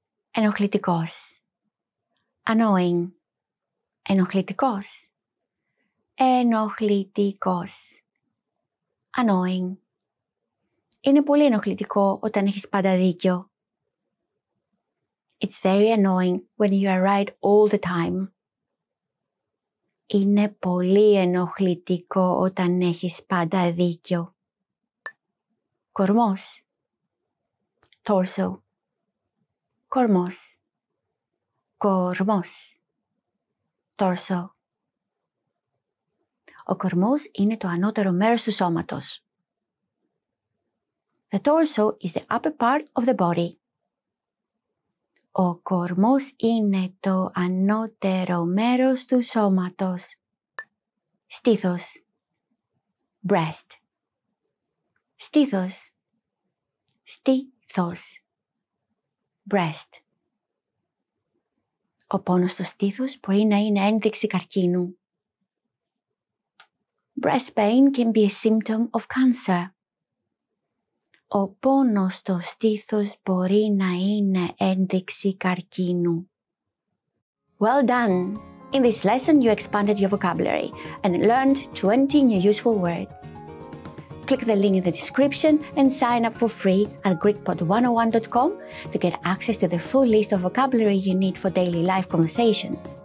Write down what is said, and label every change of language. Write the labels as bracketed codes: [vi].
[el] Ενοχλητικός. [en] Annoying. [el] Ενοχλητικός. Ενοχλητικός. [en] Annoying. [el] Είναι πολύ ενοχλητικό όταν έχεις πάντα δίκιο. [en] It's very annoying when you are right all the time. [el] Είναι πολύ ενοχλητικό όταν έχεις πάντα δίκιο. Κορμός. [en] Torso. [el] Κορμός. Κορμός. [en] Torso. [el] Ο κορμός είναι το ανώτερο μέρος του σώματος. [en] The torso is the upper part of the body. [el] Ο κορμός είναι το ανώτερο μέρος του σώματος. Στήθος. [en] Breast. [el] Στήθος. Στήθος. [en] Breast. [el] Ο πόνος στο στήθος μπορεί να είναι ένδειξη καρκίνου. [en] Breast pain can be a symptom of cancer. Ο πόνος στο στήθος μπορεί να είναι ένδειξη καρκίνου. Well done! In this lesson you expanded your vocabulary and learned 20 new useful words. Click the link in the description and sign up for free at GreekPod101.com to get access to the full list of vocabulary you need for daily life conversations.